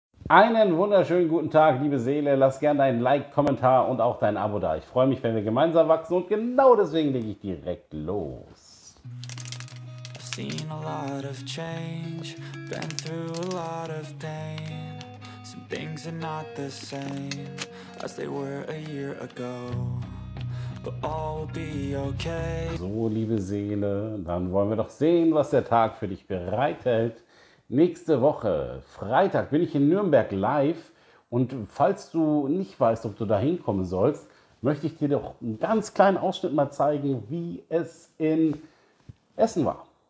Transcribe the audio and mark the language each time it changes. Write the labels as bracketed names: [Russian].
[German] Einen wunderschönen guten Tag, liebe Seele. Lass gerne deinen Like, Kommentar und auch dein Abo da. Ich freue mich, wenn wir gemeinsam wachsen und genau deswegen lege ich direkt los. [English] I've seen a lot of change, been through a lot of pain. Some things are not the same as they were a year ago. But all will be okay. [German] So, liebe Seele, dann wollen wir doch sehen, was der Tag für dich bereithält. Nächste Woche, Freitag, bin ich in Nürnberg live und falls du nicht weißt, ob du da hinkommen sollst, möchte ich dir doch einen ganz kleinen Ausschnitt mal zeigen, wie es in Essen war.